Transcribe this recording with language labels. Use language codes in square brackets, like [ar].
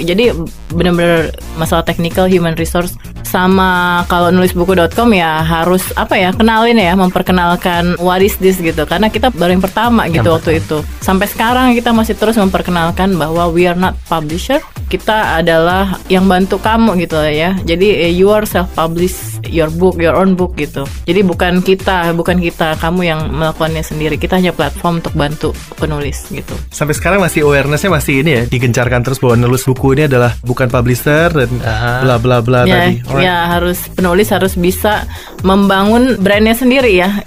[id] Jadi benar-benar masalah technical, human resource. Sama kalau nulisbuku.com ya harus apa ya, kenalin ya, memperkenalkan [en] what is this [id] gitu. Karena kita baru yang pertama gitu yang waktu pertama. Itu sampai sekarang kita masih terus memperkenalkan bahwa [en] we are not publisher. [id] Kita adalah yang bantu kamu gitu ya. [en] Jadi you are self-publish your book, your own book gitu. [id] Jadi bukan kita, kamu yang melakukannya sendiri. Kita hanya platform untuk bantu penulis gitu. Sampai sekarang masih awarenessnya masih ini ya, digencarkan terus bahwa nulis buku ini adalah bukan publisher dan bla bla bla tadi. Ya, harus penulis harus bisa membangun brandnya sendiri ya.